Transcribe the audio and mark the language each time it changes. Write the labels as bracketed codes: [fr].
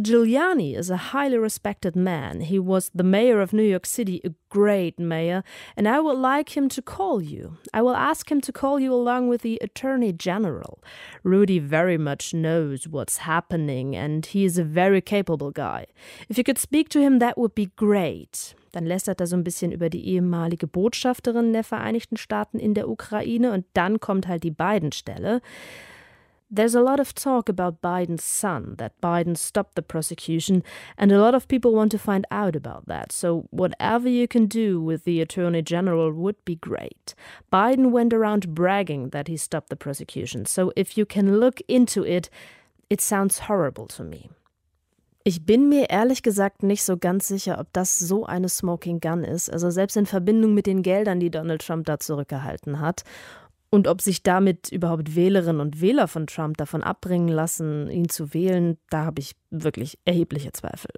[en] Giuliani is a highly respected man. He was the mayor of New York City, a great mayor, and I would like him to call you. I will ask him to call you along with the attorney general. Rudy very much knows what's happening and he is a very capable guy. If you could speak to him, that would be great. [de] Dann lästert er so ein bisschen über die ehemalige Botschafterin der Vereinigten Staaten in der Ukraine und dann kommt halt die Biden-Stelle. [en] There's a lot of talk about Biden's son, that Biden stopped the prosecution, and a lot of people want to find out about that. So whatever you can do with the Attorney General would be great. Biden went around bragging that he stopped the prosecution. So if you can look into it, it sounds horrible to me. [de] Ich bin mir ehrlich gesagt nicht so ganz sicher, ob das so eine Smoking Gun ist. Also selbst in Verbindung mit den Geldern, die Donald Trump da zurückgehalten hat. Und ob sich damit überhaupt Wählerinnen und Wähler von Trump davon abbringen lassen, ihn zu wählen, da habe ich wirklich erhebliche Zweifel.